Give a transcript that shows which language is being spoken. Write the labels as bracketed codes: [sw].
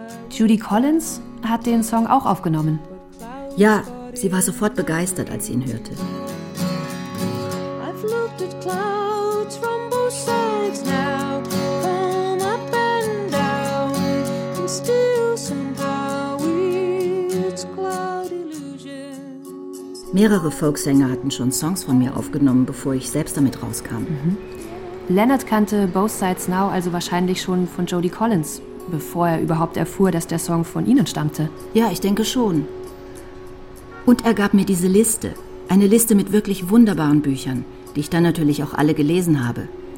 [de] Judy Collins hat den Song auch aufgenommen. Ja, sie war sofort begeistert, als sie ihn hörte. [en] I've looked at clouds from both sides now, come up and down, and still somehow it's cloud illusions. [de] Mehrere Folksänger hatten schon Songs von mir aufgenommen, bevor ich selbst damit rauskam. Mhm. Leonard kannte Both Sides Now also wahrscheinlich schon von Judy Collins, bevor er überhaupt erfuhr, dass der Song von Ihnen stammte. Ja, ich denke schon. Und er gab mir diese Liste. Eine Liste mit wirklich wunderbaren Büchern, die ich dann natürlich auch alle gelesen habe.